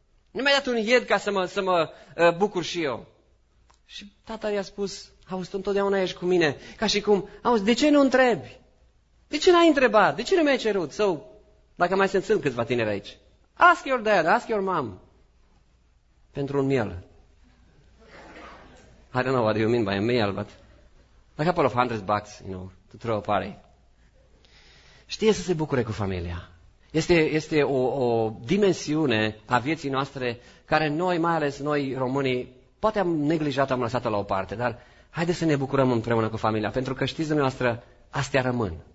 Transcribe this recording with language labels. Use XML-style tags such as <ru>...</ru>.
<ro>Nu mi-ai dat un ied ca să mă bucur și eu. Și tata i-a spus, auzi, tu întotdeauna ești cu mine. Ca și cum, auzi, de ce nu întrebi? De ce n-ai întrebat? De ce nu mi-ai cerut? Sau, dacă mai sunt câțiva tineri aici,</ro> <en>ask your dad, ask your mom.</en> <ro>Pentru un miel.</ro> <en>I don't know what you mean by a meal, but a couple of hundred bucks, you know, to throw a party.</en> <ro>Știe să se bucure cu familia. Este o dimensiune a vieții noastre care noi, mai ales noi românii, poate am neglijat, am lăsat-o la o parte, dar haideți să ne bucurăm împreună cu familia, pentru că știți dumneavoastră, astea rămân.</ro>